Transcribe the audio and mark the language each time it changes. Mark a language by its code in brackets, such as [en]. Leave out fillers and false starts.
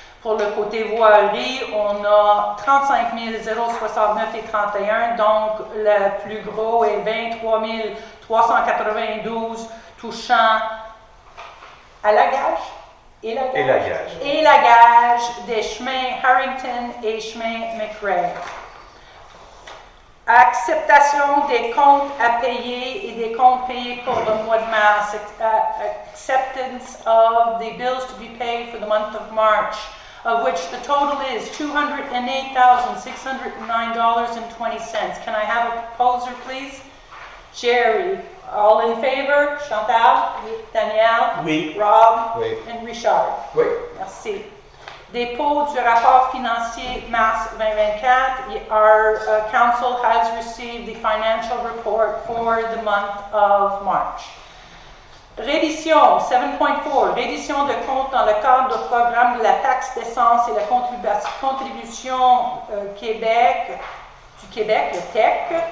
[fr] Pour le côté voilerie, on a 35 069 et 31, donc le plus gros est 23 392 touchant à la gage et la gage. Et la gage. Et la gage des chemins Harrington et chemin McRae. Acceptation des comptes à payer et des comptes payés pour le mois de mars. [en] Acceptance of the bills to be paid for the month of March, of which the total is $208,609.20. Can I have a proposer, please? Jerry. All in favor? Chantal? [fr] Oui. Danielle? Oui. Rob? Oui. [en] And Richard? [fr] Oui. Merci. Dépôt du rapport financier mars 2024. [en] Our council has received the financial report for the month of March. [fr] Reddition 7.4, reddition de compte dans le cadre du programme de la taxe d'essence et la contribution Québec, du Québec, le TEC.